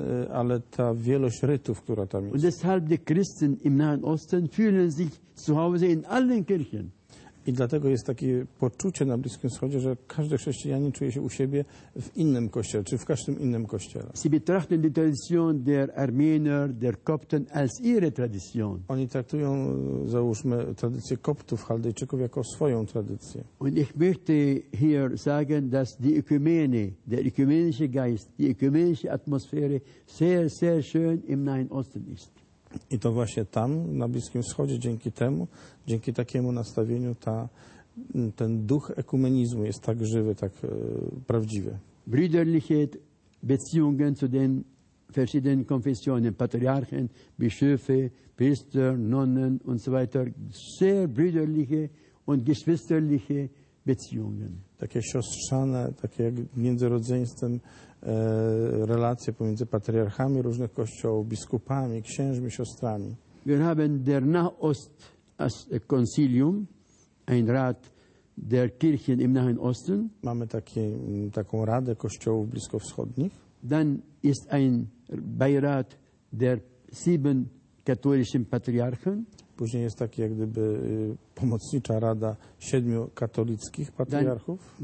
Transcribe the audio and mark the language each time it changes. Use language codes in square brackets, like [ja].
[pl] Ale ta wielość rytów, która tam jest. [de] Und deshalb die Christen im Nahen Osten fühlen sich zu Hause in allen Kirchen. [pl] I dlatego jest takie poczucie na Bliskim Wschodzie, że każdy chrześcijanin czuje się u siebie w innym kościele, czy w każdym innym kościele. [de] Sie betrachten die Tradition der Armenier, der Kopten als ihre Tradition. [pl] Oni traktują, załóżmy, tradycję Koptów, Chaldejczyków jako swoją tradycję. [de] Und ich möchte hier sagen, dass die Ökumene, der ökumenische Geist, die ökumenische Atmosphäre sehr, sehr schön im Nahen Osten ist. [pl] I to właśnie tam, na Bliskim Wschodzie, dzięki temu, dzięki takiemu nastawieniu, ten duch ekumenizmu jest tak żywy, tak prawdziwy. [de] Brüderlichkeit, Beziehungen zu den verschiedenen Konfessionen, Patriarchen, Bischöfe, Priester, Nonnen und so weiter, sehr brüderliche und geschwisterliche Beziehungen. [pl] Takie siostrzane, takie jak między rodzeństwem, relacje pomiędzy patriarchami różnych kościołów, biskupami, księżmi, siostrami. [de] Wir haben der Nahost als Konsilium, ein Rat der Kirchen im Nahen Osten. [pl] Mamy taką radę kościołów bliskowschodnich. [de] Dann ist ein Beirat der sieben katholischen Patriarchen. [pl] Później jest taki jak gdyby pomocnicza rada siedmiu katolickich patriarchów.